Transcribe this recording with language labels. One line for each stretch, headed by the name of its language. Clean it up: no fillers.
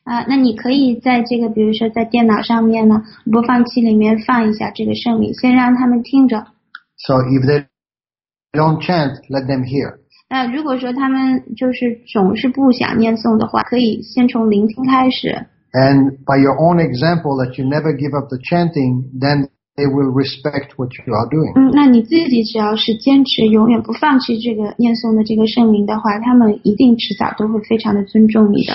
Chinese: 那你可以在这个，比如说在电脑上面呢，播放器里面放一下这个圣名，先让他们听着。
English: So if they don't chant, let them hear.
Chinese: 如果说他们就是总是不想念诵的话，可以先从聆听开始。
English: And by your own example that you never give up the chanting, then they will respect what you are doing.
Chinese: 那你自己只要是坚持永远不放弃这个念诵的这个圣名的话，他们一定迟早都会非常的尊重你的。